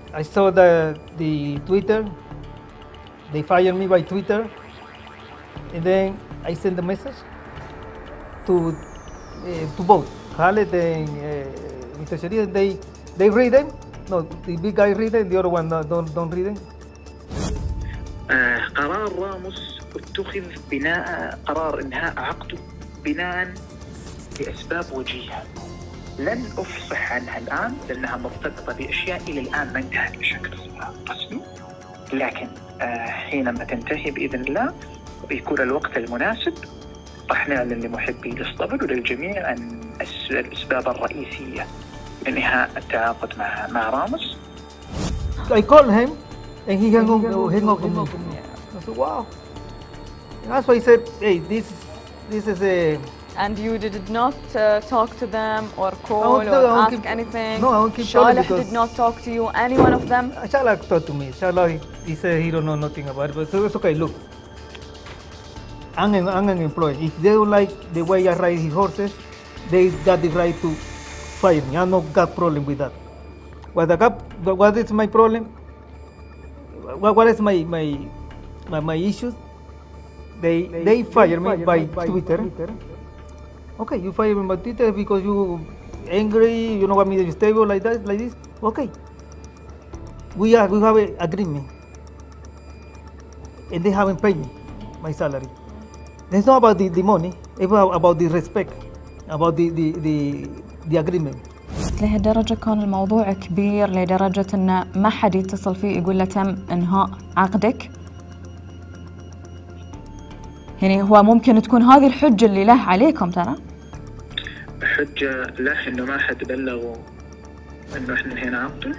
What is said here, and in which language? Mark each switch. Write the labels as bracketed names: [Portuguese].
[English] I saw the Twitter. They fired me by Twitter. And then I send a message to both Khaled and Mr. Sharif. They read them. No, the big guy read them. The other one don't read them. [Arabic] قرار راموس اتخذ بناء قرار إنهاء عقده بناء لأسباب وجيهة. لن أفصح عنها الآن لأنها مرتبطة بأشياء إلى الآن ما انتهت بشكل رسمي، لكن حينما تنتهي بإذن الله بيكون الوقت المناسب راح نعلن لمحبي الاسطبل وللجميع عن الأسباب الرئيسية لإنهاء التعاقد مع راموس. [English] I call him and he hung up with me. I said, wow. That's why he said, hey, this is a. And you did not talk to them or call or ask keep, anything. No, I won't keep calling because... Shalak did not talk to you, any one of them? Shalak talked to me. Shalak, he said he don't know nothing about it, but it's okay, look. I'm an employee. If they don't like the way I ride his horses, they got the right to fire me. I don't got problem with that. What is my problem? What is my issues? They fire me by Twitter. Okay, you fire me by Twitter because you angry, you don't want me to be stable like that, like this. Okay. We have an agreement. And they haven't paid me my salary. It's not about the money, it's about the respect, about the agreement. [Arabic] لهالدرجة كان الموضوع كبير لدرجة أن ما حد يتصل فيه يقول له تم إنهاء عقدك. يعني هو ممكن تكون هذه الحجة اللي له عليكم ترى. حجة له إنه ما حد بلغه إنه إحنا هنا عقده.